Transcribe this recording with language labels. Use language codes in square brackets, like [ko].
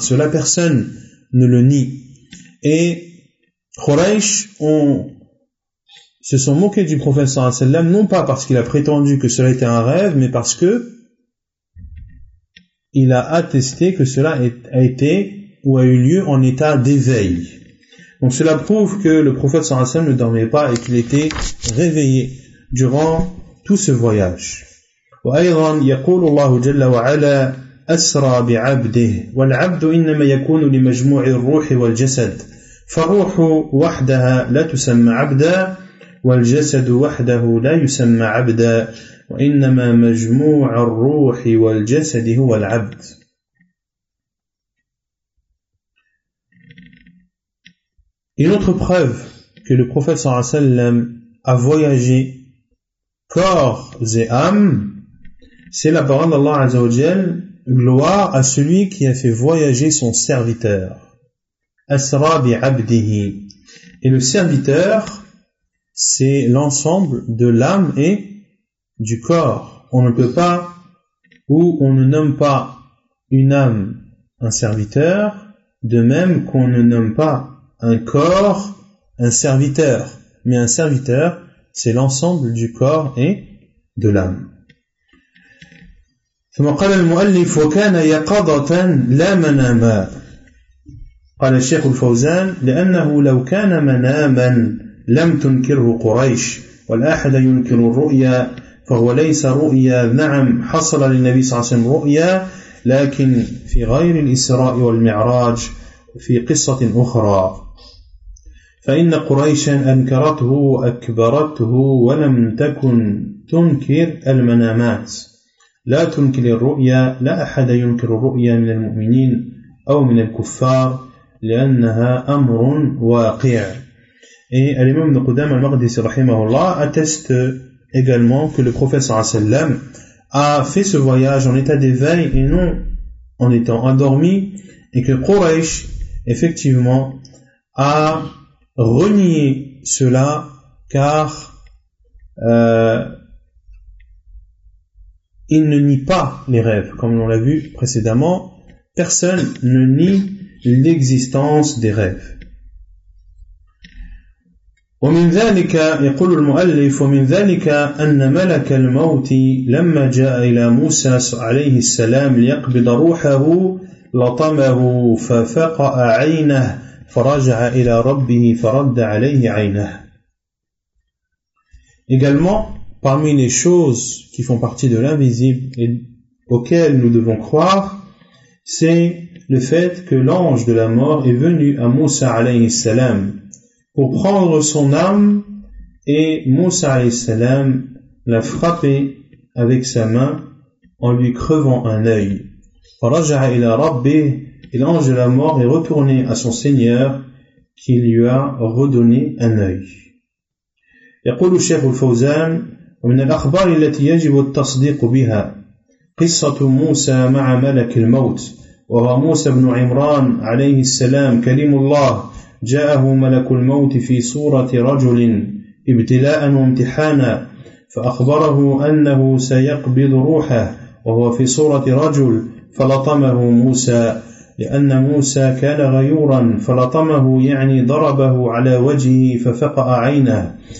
[fr] Cela, personne ne le nie. Et Quraysh se sont moqués du prophète sallallahu alayhi wa sallam, non pas parce qu'il a prétendu que cela était un rêve, mais parce que il a attesté que cela a été ou a eu lieu en état d'éveil. Donc cela prouve que le prophète sallallahu alayhi wa sallam ne dormait pas et qu'il était réveillé durant tout ce voyage. [ar] وأيضا يقول الله جل وعلا أسرى بعبده والعبد إنما يكون لمجموع الروح والجسد فالروح وحدها لا تسمى عبدا والجسد وحده لا يسمى عبدا وإنما مجموع الروح والجسد هو العبد. [fr] Une autre preuve que le prophète sallallahu alayhi wa sallam a voyagé corps et âme, c'est la parole d'Allah Azza wa Jal, gloire à celui qui a fait voyager son serviteur. [ar] Asra bi abdihi. [fr] Et le serviteur, c'est l'ensemble de l'âme et du corps. On ne peut pas, ou on ne nomme pas une âme un serviteur, de même qu'on ne nomme pas un corps un serviteur. Mais un serviteur, c'est l'ensemble du corps et de l'âme. [ar] ثم قال المؤلف وكان يقظة لا مناما قال الشيخ الفوزان لأنه لو كان مناما لم تنكره قريش ولا أحد ينكر الرؤيا فهو ليس رؤيا نعم حصل للنبي صلى الله عليه وسلم رؤيا لكن في غير الإسراء والمعراج في قصة أخرى فإن قريشا أنكرته وأكبرته ولم تكن تنكر المنامات لا تنكر الرؤيا لا أحد ينكر الرؤيا من المؤمنين أو من الكفار لأنها أمر واقع. [fr] Et l'imam Ibn Qudam al-Maghdi, rahimahullah, atteste également que le prophète sallallahu alayhi wa sallam a fait ce voyage en état d'éveil et non en étant endormi, et que Quraysh, effectivement, a renié cela, car il ne nie pas les rêves, comme on l'a vu précédemment. Personne ne nie l'existence des rêves. [ar] ومن ذلك يقول المؤلف ومن ذلك أن ملك الموت لما جاء إلى موسى عليه السلام ليقبض روحه لطمه ففقع عينه فرجع إلى ربه فرد عليه عينه. [fr] Également, parmi les choses qui font partie de l'invisible et auxquelles nous devons croire, c'est le fait que l'ange de la mort est venu à Moussa alayhi salam pour prendre son âme, et Moussa alayhi salam l'a frappé avec sa main en lui crevant un œil. [ar] Raja'a ila Rabbi, [fr] et l'ange de la mort est retourné à son Seigneur qui lui a redonné un œil. [ar] يقول الشيخ الفوزان ومن الأخبار التي يجب التصديق بها قصة موسى مع ملك الموت وهو موسى بن عمران عليه السلام كليم الله جاءه ملك الموت في صورة رجل ابتلاء وامتحانا فأخبره أنه سيقبض روحه وهو في صورة رجل فلطمه موسى لأن موسى كان غيورا فلطمه يعني ضربه على وجهه ففقع عينه